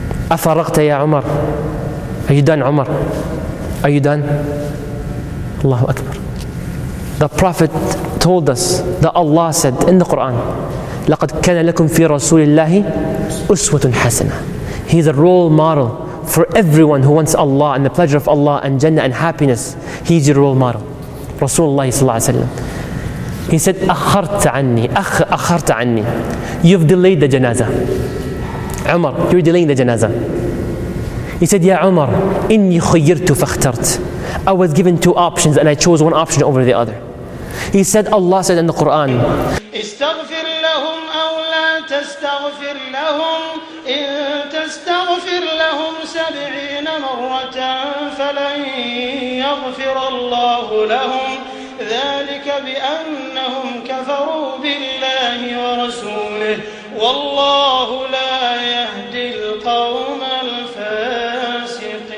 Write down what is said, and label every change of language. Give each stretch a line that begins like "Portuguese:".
English: أَفَرَغْتَ يَا عُمَرْ. Are you done, Umar? Are you done? Allahu Akbar. The Prophet told us that Allah said in the Quran, لَقَدْ كَانَ لَكُمْ فِي رَسُولِ اللَّهِ أُسْوَةٌ حَسَنَةٌ. He's a role model for everyone who wants Allah and the pleasure of Allah and Jannah and happiness. He's your role model. Rasulullah صلى الله عليه وسلم. He said, أَخَرْتَ عَنِّي, أَخَرْتَ عَنِّي. You've delayed the janazah. Umar, you're delaying the janazah. He said, يَا عُمَرْ, إِنِّي خُيِّرْتُ فَاخْتَرْتُ. I was given two options and I chose one option over the other. He said, Allah said in the Quran,
Arabic: استغفر لهم أو لا تستغفر لهم إن تستغفر لهم 70 مرة فلن يغفر الله لهم ذلك بأنهم كفروا بالله ورسوله والله لا يهدي القوم الفاسقين.